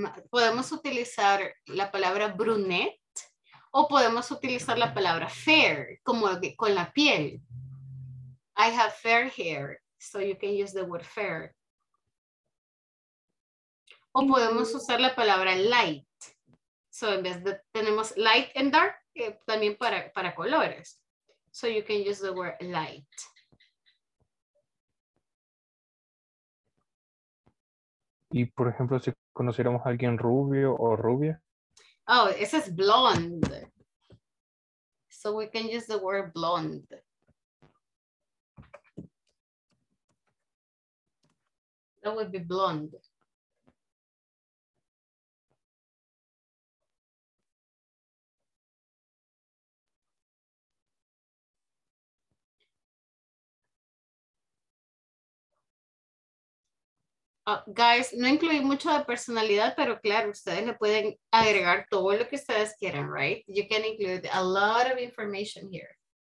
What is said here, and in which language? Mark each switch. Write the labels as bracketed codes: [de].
[es] Podemos utilizar la palabra brunette o podemos utilizar la palabra fair, como con la piel. [en] I have fair hair, so you can use the word fair. [es] O podemos usar la palabra light. So en vez de tenemos light and dark, también para colores. [en] So you can use the word light. [es] Y por ejemplo, si conociéramos a alguien rubio o rubia. [en] Oh, ese es blonde. So we can use the word blonde. That would be blonde. [es] Guys, no incluí mucho de personalidad, pero claro, ustedes le pueden agregar todo lo que ustedes quieran, right? [en] You can include a lot of information here.